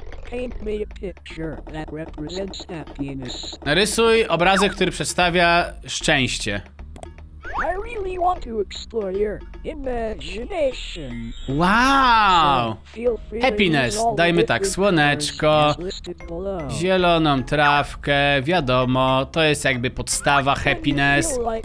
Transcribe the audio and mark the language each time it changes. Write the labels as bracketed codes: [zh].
[en] Paint me a picture that represents happiness. [pl] Narysuj obrazek, który przedstawia szczęście. [en] I really want to explore your imagination. Wow! Happiness. [pl] Dajmy tak, słoneczko, zieloną trawkę, wiadomo, to jest jakby podstawa happiness.